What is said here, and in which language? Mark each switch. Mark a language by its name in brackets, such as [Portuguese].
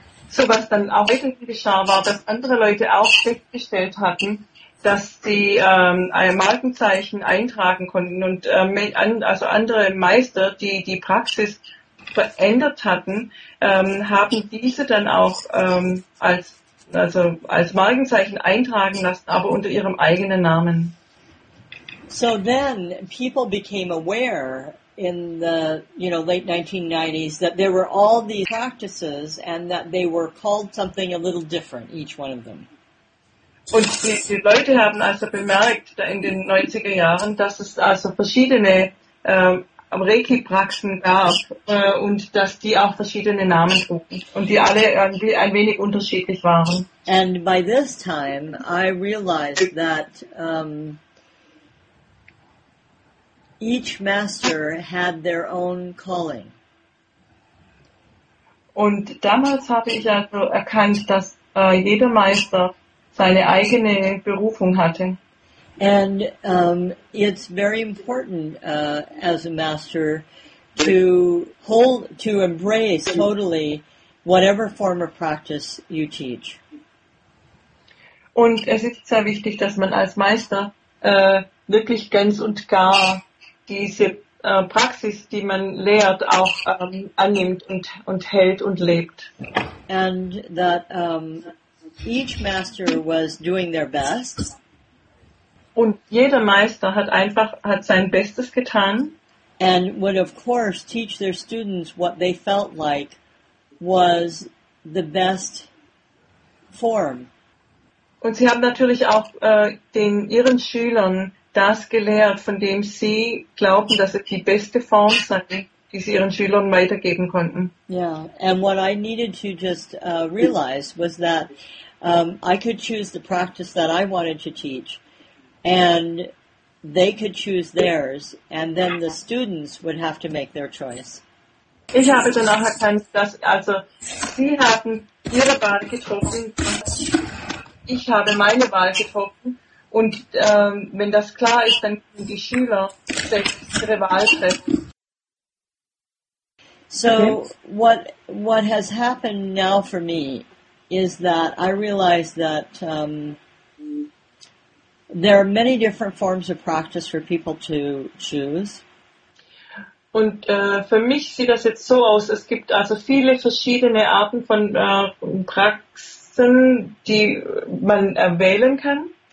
[German] So, was dann auch wirklich geschah, war, dass andere Leute auch festgestellt hatten, dass sie Markenzeichen eintragen konnten, und also andere Meister, die die Praxis verändert hatten, haben diese dann auch als also als Markenzeichen eintragen lassen, aber unter ihrem eigenen Namen. [English] So then people became aware in the, you know, late 1990s that there were all these practices and that they were called something a little different, each one of them. [German] Und die Leute haben also bemerkt da in den 90er Jahren, dass es also verschiedene Reiki-Praxen gab und dass die auch verschiedene Namen trugen und die alle irgendwie ein wenig unterschiedlich waren. [English] And by this time I realized that each master had their own calling. [German] Und damals habe ich also erkannt, dass jeder Meister seine eigene Berufung hatte. [English] And it's very important as a master to hold, to embrace totally whatever form of practice you teach. [German] Und es ist sehr wichtig, dass man als Meister wirklich ganz und gar diese Praxis, die man lehrt, auch annimmt und hält und lebt. [English] And that each master was doing their best. [German] Und jeder Meister hat einfach hat sein Bestes getan. [English] And would of course teach their students what they felt like was the best form. [German] Und sie haben natürlich auch ihren Schülern das gelehrt, von dem sie glauben, dass es die beste Form sei, die sie ihren Schülern weitergeben konnten. [English] Yeah, and what I needed to just realize was that I could choose the practice that I wanted to teach. And they could choose theirs, and then the students would have to make their choice. [German] Ich habe dann auch erkannt, dass also sie haben ihre Wahl getroffen, ich habe meine Wahl getroffen, und wenn das klar ist, dann können die Schüler selbst ihre Wahl treffen. [English] So what has happened now for me is that I realize that there are many different forms of practice for people to choose. [German] Und für mich sieht das jetzt so aus, es gibt also viele verschiedene Arten von Praxen, die man wählen kann.